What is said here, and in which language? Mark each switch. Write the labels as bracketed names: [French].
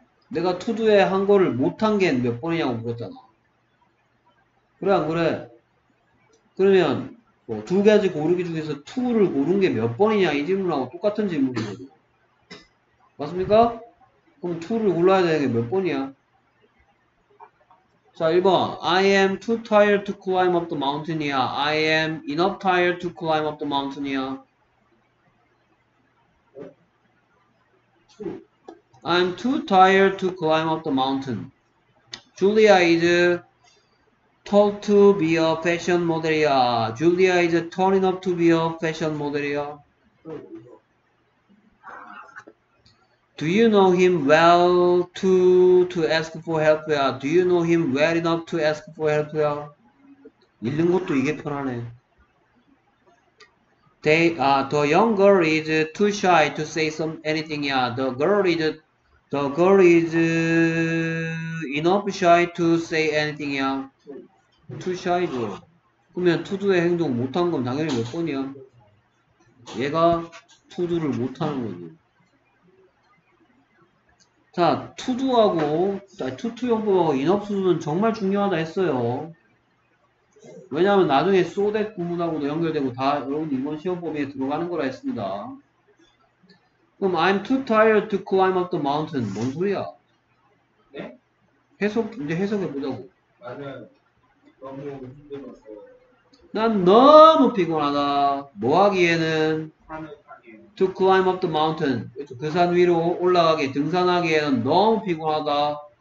[Korean] 내가 투두에 한 거를 못한 게 몇 번이냐고 물었잖아. 그래 안 그래? 그러면 뭐 두 가지 고르기 중에서 투를 고른 게 몇 번이냐 이 질문하고 똑같은 질문이거든. 맞습니까? 그럼 2를 골라야 되는 게 몇 번이야? 자, 1번. [English] I am too tired to climb up the mountain이야. I am enough tired to climb up the mountain이야. I am too tired to climb up the mountain. Julia is tall to be a fashion model이야. Julia is tall enough to be a fashion model이야. Do you know him well to ask for help? Do you know him well enough to ask for help? [Korean] 읽는 것도 이게 편하네. [English] The young girl is too shy to say some anything. Yeah. The girl is enough shy to say anything. Yeah. Too shy. [Korean] 그러면 투두의 행동 못한 건 당연히 몇 번이야? 얘가 투두를 못하는 거지. 자, 투두하고 투투용법하고 인업수두는 정말 중요하다 했어요. 왜냐하면 나중에 소댓 구문하고도 연결되고 다 여러분 이번 시험범위에 들어가는 거라 했습니다. [English] 그럼 I'm too tired to climb up the mountain. [Korean] 뭔 소리야? 네? 해석, 이제 해석해보자고. 나는 너무 힘들어서. 난 너무 피곤하다. 뭐 하기에는? [English] To climb up the mountain. [Korean] 그 산 위로 올라가기, 등산하기에는 너무 피곤하다.